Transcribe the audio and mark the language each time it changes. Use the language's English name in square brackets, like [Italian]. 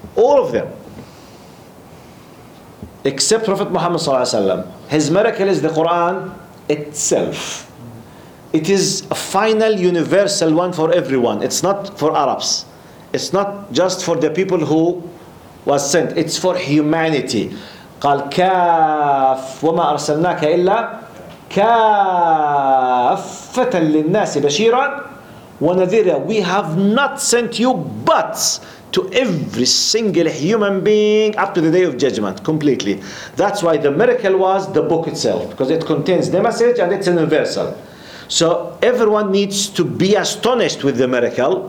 [English] All of them, except Prophet Muhammad صلى الله عليه وسلم. His miracle is the Quran itself. It is a final universal one for everyone. It's not for Arabs. It's not just for the people who was sent. It's for humanity. [Arabic] قال كاف وما أرسلناك إلا كافة للناس بشيرا ونذيرا. [English] We have not sent you but to every single human being up to the day of judgment, completely. That's why the miracle was the book itself, because it contains the message and it's universal. So everyone needs to be astonished with the miracle.